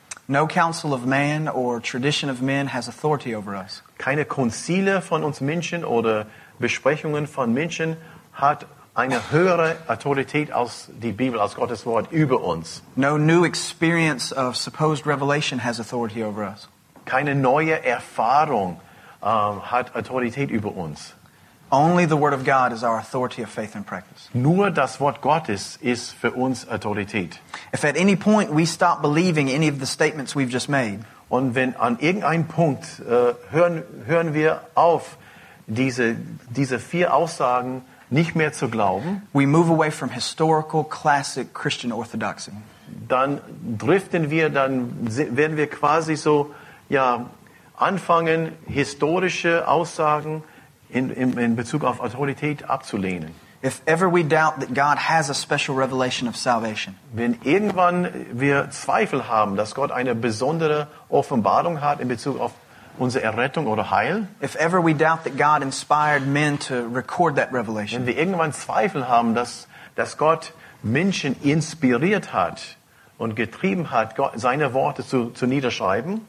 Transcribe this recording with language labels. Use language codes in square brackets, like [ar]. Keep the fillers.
[en] No council of man or tradition of men has authority over us. [de] Keine Konzile von uns Menschen oder Besprechungen von Menschen hat eine höhere Autorität als die Bibel als Gottes Wort über uns. [en] No new experience of supposed revelation has authority over us. [de] Keine neue Erfahrung uh, hat Autorität über uns. [en] Only the word of God is our authority of faith and practice. [de] Nur das Wort Gottes ist für uns Autorität. [en] If at any point we stop believing any of the statements we've just made, [de] und wenn an irgendeinem Punkt uh, äh, hören hören wir auf diese diese vier Aussagen nicht mehr zu glauben, [en] we move away from historical classic Christian orthodoxy. [de] Dann driften wir dann werden wir quasi so ja anfangen historische Aussagen in, in, in Bezug auf Autorität abzulehnen. [en] If ever we doubt that God has a special revelation of salvation. [de] Wenn irgendwann wir Zweifel haben, dass Gott eine besondere Offenbarung hat in Bezug auf unsere Errettung oder Heil. [en] If ever we doubt that God inspired men to record that revelation. [de] Wenn wir irgendwann Zweifel haben, dass dass Gott Menschen inspiriert hat, und getrieben hat, seine Worte zu, niederschreiben.